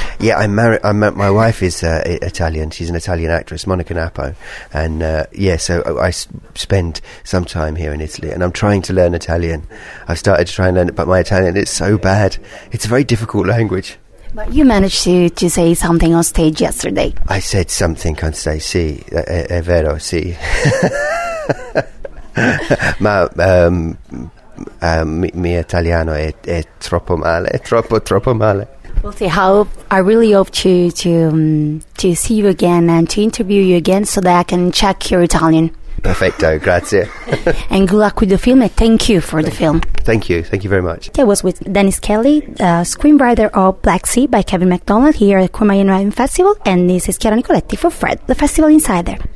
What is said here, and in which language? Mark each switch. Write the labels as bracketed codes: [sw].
[en] Yeah, my wife is Italian. She's an Italian actress, Monica Napo. And so I spend some time here in Italy, and I'm trying to learn Italian. I've started to try and learn it, but my Italian is so bad. It's a very difficult language. But you managed to say something on stage yesterday. I said something on stage, [it] sì, è vero, sì. Ma... mi italiano è troppo male, troppo troppo male. [en] We'll see. I really hope to see you again and to interview you again, so that I can check your Italian. [it] Perfecto, grazie. [en] And good luck with the film, and thank you for the film. Thank you very much. That was with Dennis Kelly, screenwriter of Black Sea by Kevin MacDonald, here at Cormayan Writing Festival, and this is Chiara Nicoletti for Fred, the Festival Insider.